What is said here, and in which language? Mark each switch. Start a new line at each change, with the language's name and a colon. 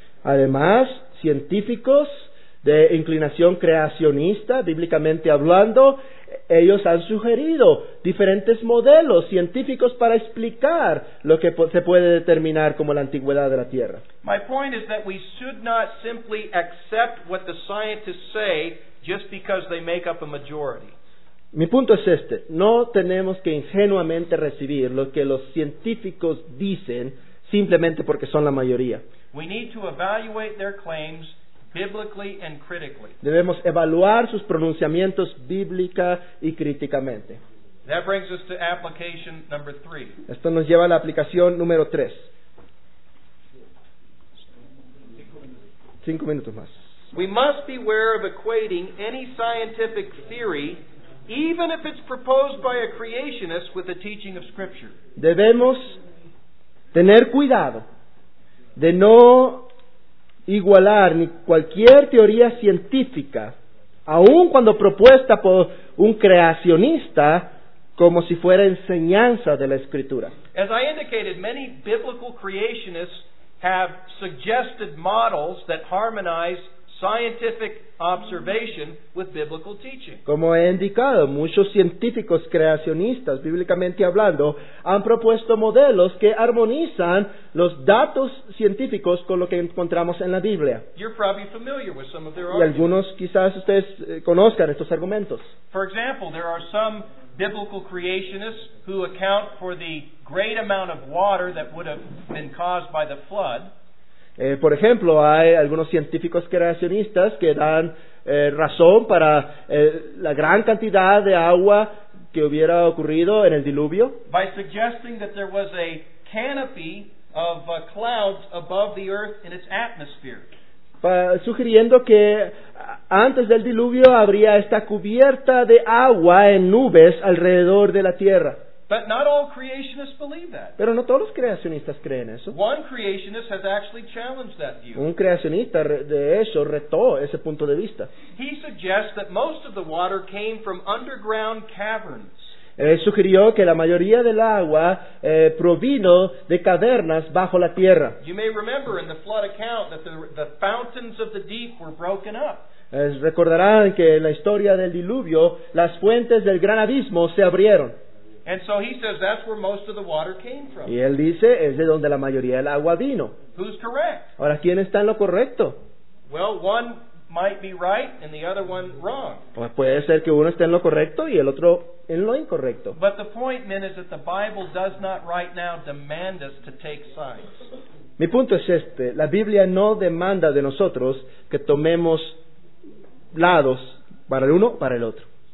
Spanish: Además, científicos de inclinación creacionista, bíblicamente hablando, ellos han sugerido diferentes modelos científicos para explicar lo que se puede determinar como la antigüedad de la Tierra.
English: My point is that we should not simply accept what the scientists say just because they make up a majority.
Spanish: Mi punto es este: no tenemos que ingenuamente recibir lo que los científicos dicen simplemente porque son la mayoría.
English: We need to evaluate their claims biblically and critically.
Spanish: Debemos evaluar sus pronunciamientos bíblica y críticamente.
English: That brings us to application number 3.
Spanish: Esto nos lleva a la aplicación número 3. 5 minutos más.
English: We must beware of equating any scientific theory, even if it's proposed by a creationist, with the teaching of Scripture.
Spanish: Debemos tener cuidado de no igualar ni cualquier teoría científica, aun cuando propuesta por un creacionista, como si fuera enseñanza de la Escritura.
English: As I indicated, many biblical creationists have suggested models that harmonize scientific observation with biblical teaching.
Spanish: Como he indicado, muchos científicos creacionistas, bíblicamente hablando, han propuesto modelos que armonizan los datos científicos con lo que encontramos en la Biblia.
English: You're probably familiar with some of their arguments.
Spanish: Y algunos quizás ustedes conozcan estos argumentos.
English: For example, there are some biblical creationists who account for the great amount of water that would have been caused by the flood.
Spanish: Por ejemplo, hay algunos científicos creacionistas que dan razón para la gran cantidad de agua que hubiera ocurrido en el diluvio.
English: By suggesting that there was a canopy of clouds above the earth in its atmosphere.
Spanish: Sugiriendo que antes del diluvio habría esta cubierta de agua en nubes alrededor de la tierra.
English: But not all creationists believe that.
Spanish: Pero no todos los creacionistas creen eso.
English: One creationist has actually challenged that view.
Spanish: Un creacionista de eso retó ese punto de vista.
English: He suggests that most of the water came from underground caverns.
Spanish: Sugirió que la mayoría del agua provino de cavernas bajo la tierra.
English: You may remember in the flood account that the fountains of the deep were broken up.
Spanish: Recordarán que en la historia del diluvio las fuentes del gran abismo se abrieron.
English: And so he says that's where most of the water came from.
Spanish: Y él dice es de donde la mayoría del agua vino.
English: Who's correct?
Spanish: Ahora, ¿quién está en lo correcto?
English: Well, one might be right and the other one wrong.
Spanish: Pues puede ser que uno esté en lo correcto y el otro en lo incorrecto.
English: But the point, men, is that the Bible does not right now demand us to take sides.
Spanish: Mi punto es este: la Biblia no demanda de nosotros que tomemos lados para el uno o para el otro.